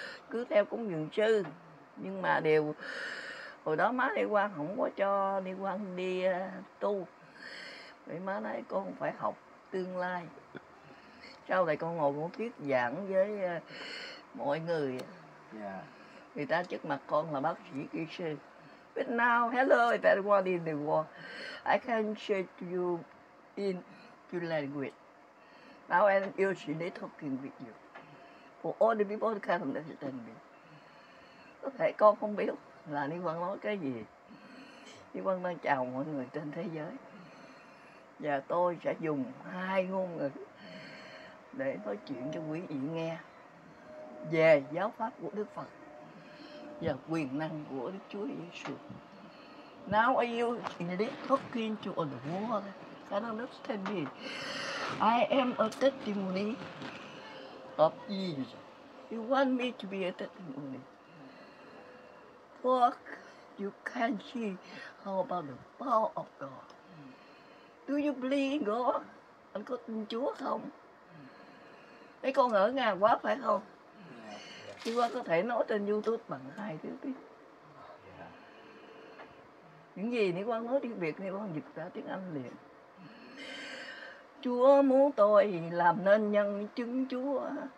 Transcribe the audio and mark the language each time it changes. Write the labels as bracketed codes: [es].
[vi] Cứ theo cúng dường sư, nhưng mà đều hồi đó má đi qua không có cho đi qua đi tu, vì má nói con phải học tương lai, Sau này con ngồi muốn thuyết giảng với mọi người. [en] Yeah. [vi] Người ta trước mặt con là bác sĩ kỹ sư. [en] But now, hello, everyone in the world. I can share you in your language. Now I'm usually talking with you. For all the people who can understand me. [vi] Có thể con không biết là Lý Quang nói cái gì. Lý Quang đang chào mọi người trên thế giới. Và tôi sẽ dùng hai ngôn ngữ để nói chuyện cho quý vị nghe về giáo pháp của Đức Phật và quyền năng của Đức Chúa Giêsu. [en] Now are you ready talking to a world? I don't understand me. I am a testimony of Jesus. You want me to be a testimony? For you can see how about the power of God. Do you believe in God? [vi] Anh có tin Chúa không? Mấy con ngỡ ngàng quá phải không? Chúng ta có thể nói trên YouTube bằng hai thứ tiếng. Những gì nếu con nói tiếng Việt thì con dịch ra tiếng Anh liền. Chúa muốn tôi làm nên nhân chứng Chúa.